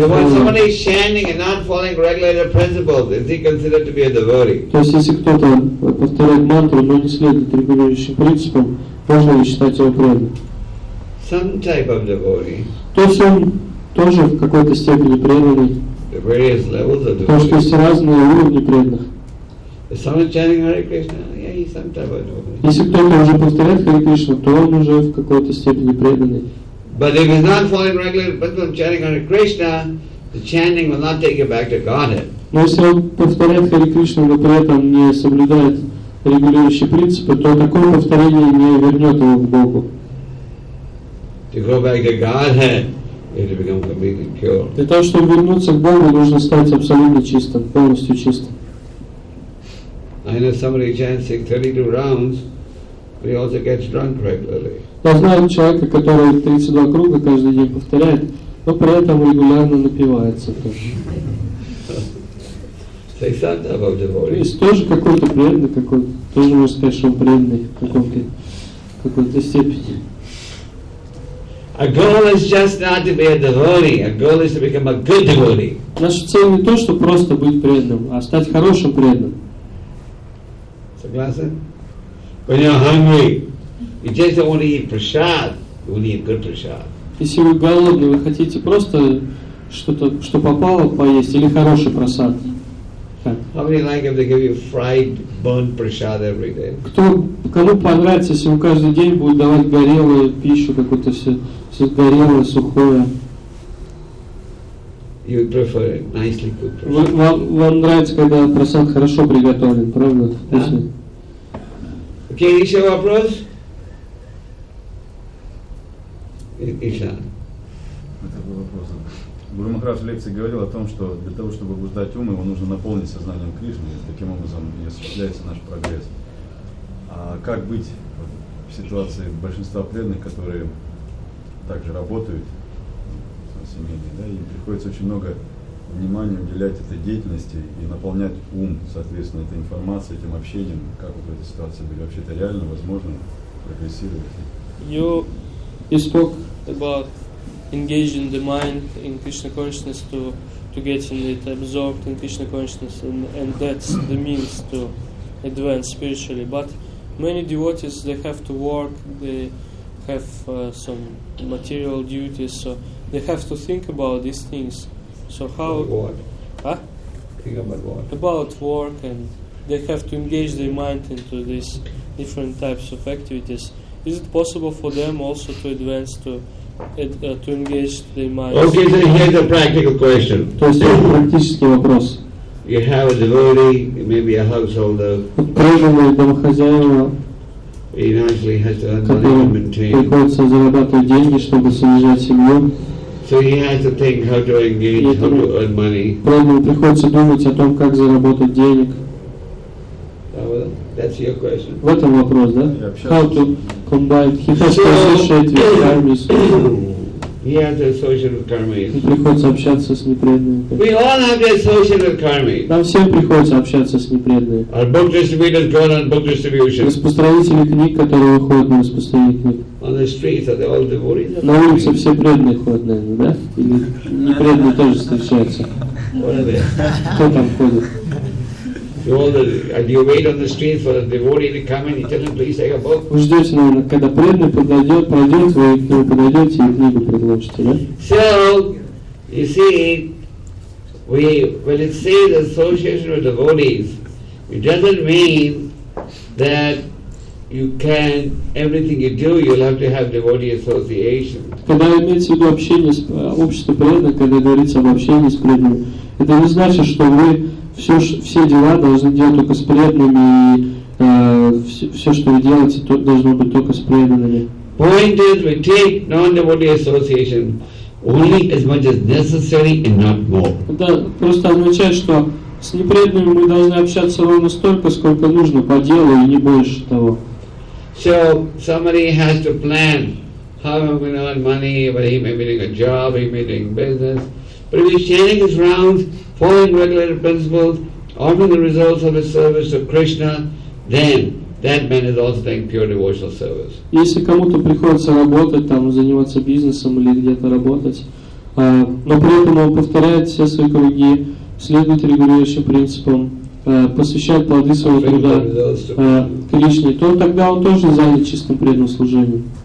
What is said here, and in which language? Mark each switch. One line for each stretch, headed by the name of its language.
English: So when somebody is chanting and not following regulated principles, is he considered to be a devotee?
Russian: То есть если кто-то повторяет мантру, но не следует регулирующим принципам, можно ли считать его преданным?
English: Some type of devotee.
Russian: То есть он тоже в какой-то степени преданный.
English: The various levels of devotees.
Russian: То есть разные уровни преданных.
English: Is someone chanting Hare Krishna? Yeah, he's some type of devotee.
Russian: Если кто-то уже повторяет Hare Krishna, то он уже в какой-то степени преданный.
English: But if he's not following regular principles chanting Hare Krishna, the chanting will not take you back to Godhead.
Russian: Но если он повторяет Hare Krishna, но при этом не соблюдает регулирующие принципы, то такое повторение не вернет его к Богу.
English: To go back to Godhead, you have to become completely pure.
Russian: Для того, чтобы вернуться к Богу, нужно стать абсолютно чистым, полностью чистым.
English: I know somebody chants 32 rounds, but he also gets drunk regularly.
Russian: Я знаю человека, который 32 круга каждый день повторяет, но при этом регулярно напивается тоже.
English: Say something about devotee.
Russian: То есть тоже какой-то преданный, какой-то, тоже можно сказать, что он преданный в какой-то степени.
English: A goal is just not to be a devotee. A goal is to become a good devotee.
Russian: Наша цель не то, чтобы просто быть преданным, а стать хорошим преданным.
English: When you're hungry, you just don't want to eat prasad. You want to eat good prasad.
Russian: Если вы голодны, вы хотите просто что-то, что попало, поесть или хороший просад.
English: How many like if they give you fried, burnt prasad every day?
Russian: Кто, кому понравится, если он каждый день будет давать горелую пищу, какую-то все горелое, сухое.
English: You would prefer nicely cooked.
Russian: Вам нравится, когда просад хорошо приготовлен, правда?
English: Yeah. Okay,
Russian: еще вопрос? Еще. Вот такой вопрос. Гуру Махарадж в лекции говорил о том, что для того, чтобы возбуждать ум, его нужно наполнить сознанием Кришны, и таким образом и осуществляется наш прогресс. А как быть в ситуации большинства преданных, которые также работают? Семейные, да, и приходится очень много внимания уделять этой деятельности и наполнять ум, соответственно, этой информацией, этим общением, как вот в этой ситуации быть. Вообще это реально возможно прогрессировать.
English: You spoke about engaging the mind in Krishna consciousness to getting it absorbed in Krishna consciousness and that's the means to advance spiritually. But many devotees they have to work, they have some material duties, so they have to think about these things. So how? What? Huh? Think about what? About work, and they have to engage their mind into these different types of activities. Is it possible for them also to advance to to engage the mind? Okay, so here's a practical question.
Russian: То есть это практический вопрос.
English: You have a devotee, maybe a householder.
Russian: Преданный домохозяева.
English: He actually has to earn money to maintain.
Russian: Приходится зарабатывать деньги, чтобы содержать семью.
English: So he has to think how to engage, how to earn money.
Russian: Преданному приходится думать о том, как заработать денег.
English: That's your question.
Russian: Вот он вопрос, да?
English: How to combine? He has to associate with karmis. He has to associate with karmis.
Russian: И приходится общаться с непреданными.
English: We all have to associate with karmis.
Russian: Нам всем приходится общаться с непреданными.
English: Our book distributors go on book distribution.
Russian: Распространители книг, которые выходят на распространение.
English: On the streets are they all devotees?
Russian: На улице все преданные ходят, наверное, да? Или непреданные тоже встречаются? Кто там ходит?
English: You wait on the street for the devotee to come and tell him, please take a book.
Russian: Вы ждете, наверное, когда преданный подойдет, пройдет, вы к нему подойдете и книгу предложите, да?
English: So, you see, we when it says association with devotees, it doesn't mean that you can everything you do, you'll have to have devotee association.
Russian: Когда имеется в виду общение с обществом преданных, когда говорится об общении с преданным, это не значит, что вы все дела должны делать только с преданными, и все, что вы делаете, то должно быть только с преданными.
English: Point is, we take non-devotee association only as much as necessary and not more.
Russian: Это просто означает, что с непреданными мы должны общаться ровно столько, сколько нужно по делу, и не больше того.
English: So somebody has to plan how am I going to earn money, whether he may be doing a job, he may be doing business. But if he's chanting his rounds, following regulated principles, offering the results of his service to Krishna, then that man is also doing pure devotional service.
Russian: Если кому-то приходится работать, там, заниматься бизнесом или где-то работать, но при этом он повторяет все свои круги, следует регулирующим принципам, посвящает плоды своего труда Кришне, то тогда он тоже занят чистым преданным служением.